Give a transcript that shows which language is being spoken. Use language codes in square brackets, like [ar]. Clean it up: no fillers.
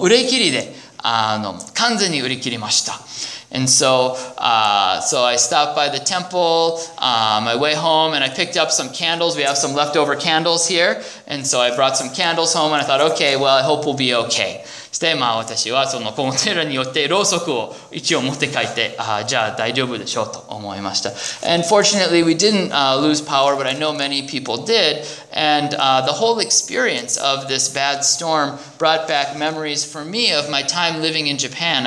[ja] そして、ターゲットに行ったら、もう全部の電子トーチとか全部もう売り切りで、完全に売り切りました。 [en] And so I stopped by the temple on my way home, and I picked up some candles. We have some leftover candles here. And so I brought some candles home, and I thought, okay, well, I hope we'll be okay. [ja] そして、私はこのテラによってろうそくを一応持って帰って、じゃあ大丈夫でしょうと思いました。 [en] And fortunately, we didn't lose power, but I know many people did. And the whole experience of this bad storm brought back memories for me of my time living in Japan.